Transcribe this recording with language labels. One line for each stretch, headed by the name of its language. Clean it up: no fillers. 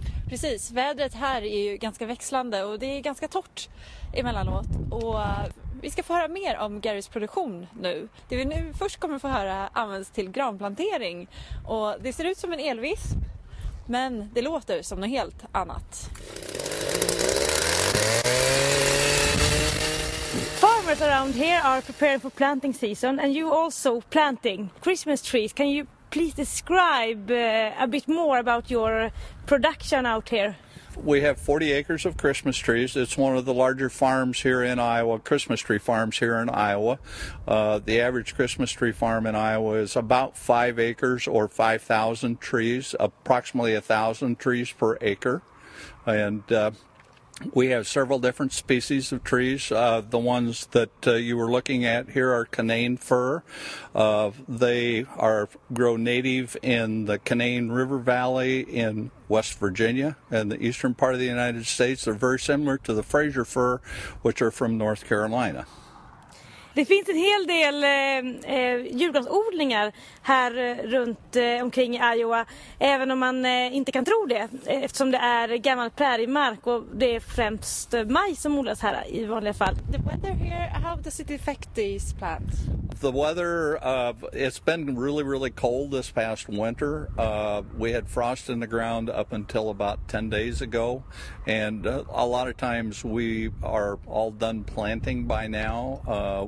Swedish: Precis, vädret här är ju ganska växlande och det är ganska torrt emellanåt. Och vi ska få höra mer om Garys produktion nu. Det vi nu först kommer få höra används till granplantering. Och det ser ut som en elvisp, men det låter som något helt annat.
English: Farmers around here are preparing for planting season and you also planting Christmas trees. Can you please describe a bit more about your production out here? We have 40 acres of Christmas trees. It's one of the larger farms here in Iowa, Christmas tree farms here in Iowa. The average Christmas tree farm in Iowa is about 5 acres or 5,000 trees, approximately 1,000 trees per acre. And we have several different species of trees. The ones that you were looking at here are Canaan fir. They are grow native in the Canaan River Valley in West Virginia and the eastern part of the United States. They're very similar to the Fraser fir, which are from North Carolina.
Swedish: Det finns en hel del julgransodlingar här runt omkring Iowa, även om man inte kan tro det eftersom det är gammal präriemark och det är främst majs som odlas här i vanliga fall.
English: The weather here, how does it affect these plants? The weather, it's been really, really cold this past winter. We had frost in the ground up until about 10 days ago. And a lot of times we are all done planting by now.